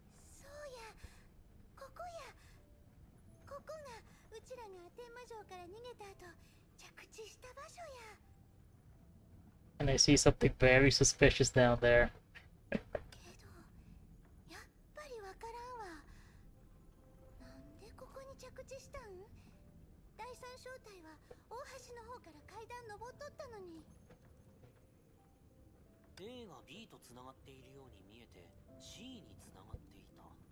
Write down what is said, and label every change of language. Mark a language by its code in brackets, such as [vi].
[ja] そうや、ここや、ここがうちらが天魔城から逃げた後着地した場所や。 [en] And I see something very suspicious down there. [ja] けど、やっぱりわからんわ。なんでここに着地したん？第三小隊は大橋の方から階段登っとったのに。 A が B とつながっているように見えて C につながっていた。